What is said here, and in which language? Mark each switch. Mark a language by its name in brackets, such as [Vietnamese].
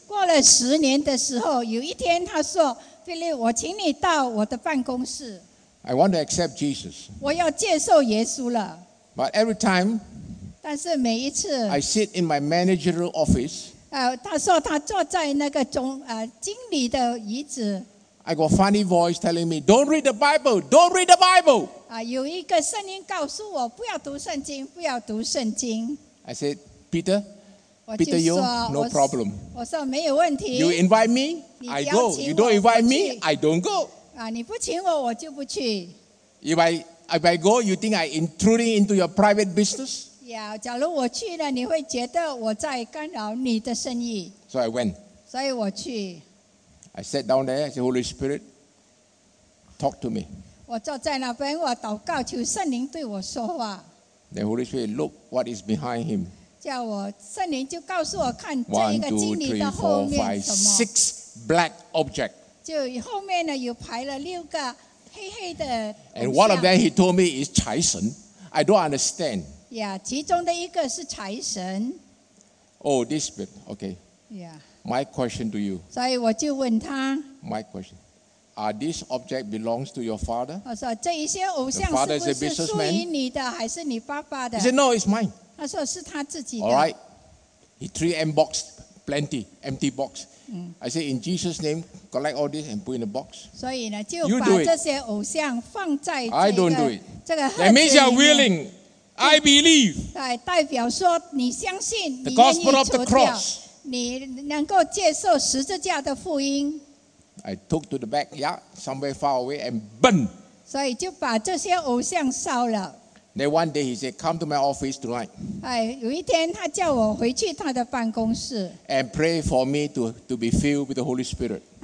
[Chinese] 过了十年的时候，有一天他说 ，Philip， 我请你到我的办公室。 [English] I want to accept Jesus. [Chinese] 我要接受耶稣了。 [English] But every time. [Chinese] 但是每一次。 [English] I sit in my managerial office. [Chinese] 他说他坐在那个经理的椅子。 [English] I got a funny voice telling me, "Don't read the Bible. Don't read the Bible." [Chinese] 有一个声音告诉我不要读圣经，不要读圣经。 [English] I said, Peter. Peter, you, no problem. [Chinese] 我说没有问题。 [English] You invite me, I go. You don't invite me, I don't go. [Chinese] 你不请我，我就不去。 [English] If I go, you think I intruding into your private business? [Chinese] Yeah, 假如我去了，你会觉得我在干扰你的生意。 [English] So I went. [Chinese] 所以我去。 [English] I sat down there. I said, Holy Spirit, talk to me. [Chinese] 我坐在那边，我祷告，求圣灵对我说话。 [English] The Holy Spirit, look what is behind him. [Chinese] 叫我圣灵就告诉我看这一个经理的后面什么 [English] 6 black object [Chinese] 就后面呢有排了六个黑黑的 [English] and one of them he told me is 财神 I don't understand [Chinese] yeah 其中的一个是财神 [English] oh this bit okay yeah my question to you [Chinese] 所以我就问他 [English] my question are this object belongs to your father [Chinese] 我说这一些偶像是不是属于你的还是你爸爸的 [English] he said no it's mine [Chinese] 他说是他自己的。 [English] All right, he 3M box, plenty empty box.、Mm. I say in Jesus' name, collect all this and put in a box. [Chinese] 所以呢，就把这些偶像放在这个 [English] I don't do it. [Chinese] 这个盒子里面。 [English] That means you're willing. I believe. [Chinese] 对，代表说你相信，你愿意除掉，你能够接受十字架的福音。 [English] I took to the backyard, somewhere far away, and burn. [Chinese] 所以就把这些偶像烧了。 [English] Then one day he said, come to my office tonight. And pray for me to be filled with the Holy Spirit.